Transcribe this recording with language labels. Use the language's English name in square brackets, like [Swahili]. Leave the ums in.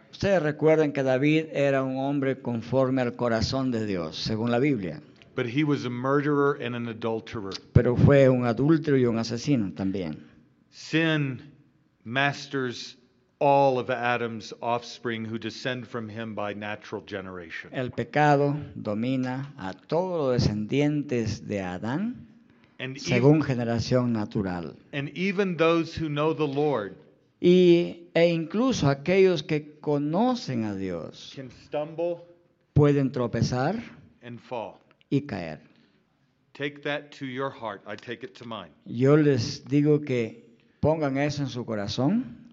[Spanish] Ustedes recuerden que David era un hombre conforme al corazón de Dios, según la Biblia. [English] But he was a murderer and an adulterer. [Spanish] Pero fue un adúltero y un asesino también. [English] Sin masters all of Adam's offspring who descend from him by natural generation. [Spanish] El pecado domina a todos los descendientes de Adán [English] and [Spanish] según [English] even, [Spanish] generación natural. [English] And even those who know the Lord [Spanish] y, e incluso aquellos que conocen a Dios pueden tropezar y caer. [English] Take that to your heart. I take it to mine. [Spanish] Yo les digo que pongan eso en su corazón.